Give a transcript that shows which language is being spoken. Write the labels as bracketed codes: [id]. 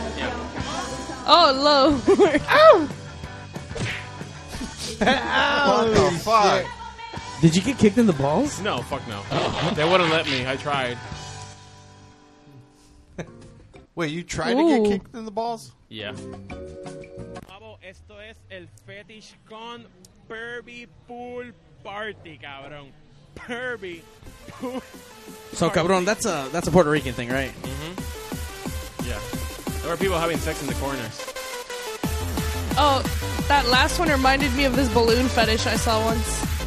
[en] Yeah. Oh, low. Ow! What the fuck? Did you get kicked in the balls? No, fuck no. They wouldn't let me. I tried. Wait, you tried to get kicked in the balls? Yeah. [es] Pablo, esto es el fetish con Perby Pool Party, cabrón. [en] Perby Pool. So, cabrón, that's a Puerto Rican thing, right? Mm-hmm. Yeah. There were people having sex in the corners. Oh, that last one reminded me of this balloon fetish I saw once.